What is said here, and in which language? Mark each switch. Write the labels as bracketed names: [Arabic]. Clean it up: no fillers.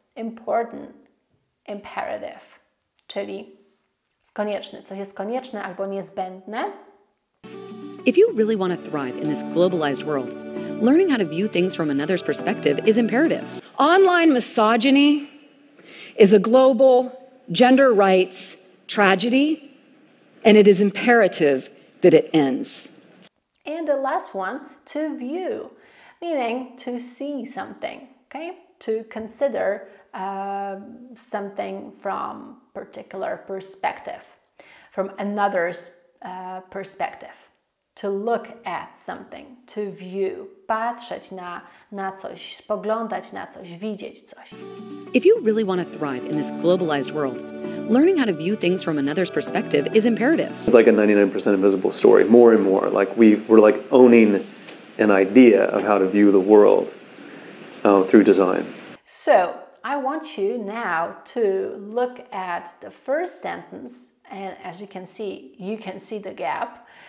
[English] Important, imperative, [Polish] czyli konieczne. Coś jest konieczne albo niezbędne. [English] If you really want to thrive in this globalized world, learning how to view things from another's perspective is imperative. Online misogyny is a global gender rights tragedy, and it is imperative that it ends. And the last one, to view, meaning to see something, okay? To consider something from particular perspective. from another's perspective. To look at something, to view, [Polish] patrzeć na coś, spoglądać na coś, widzieć coś. [English] If you really want to thrive in this globalized world, learning how to view things from another's perspective is imperative. It's like a 99% invisible story, more and more. Like we're like owning an idea of how to view the world through design. So I want you now to look at the first sentence, and as you can see the gap.